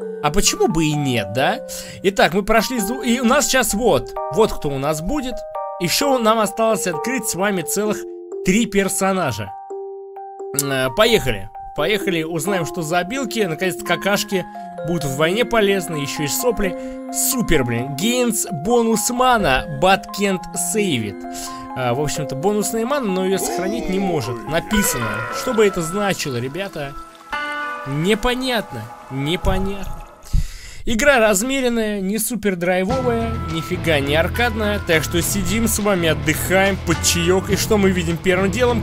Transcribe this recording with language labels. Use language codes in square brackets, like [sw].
[ru] А почему бы и нет, да? Итак, мы прошли... И у нас сейчас вот, вот кто у нас будет. Еще нам осталось открыть с вами целых 3 персонажа. Поехали. Поехали, узнаем, что за обилки. Наконец-то какашки будут в войне полезны, еще и сопли. Супер, блин. [en] Гейнс бонус мана, but can't save it. [ru] В общем-то, бонусная мана, но ее сохранить не может. Написано. Что бы это значило, ребята? Непонятно. Непонятно. Игра размеренная, не супер драйвовая, нифига не аркадная. Так что сидим с вами, отдыхаем под чаек. И что мы видим первым делом?